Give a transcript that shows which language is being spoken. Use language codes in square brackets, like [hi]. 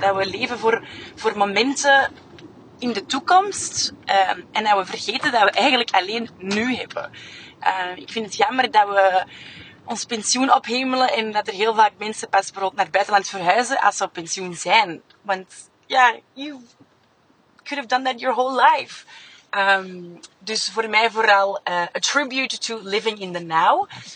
[nl] Dat we leven voor momenten in de toekomst. En dat we vergeten dat we eigenlijk alleen nu hebben. Ik vind het jammer dat we ons pensioen ophemelen. En dat er heel vaak mensen pas bijvoorbeeld naar het buitenland verhuizen als ze op pensioen zijn. Want ja, [en] you could have done that your whole life. [nl] Dus voor mij vooral [en] a tribute to living in the now.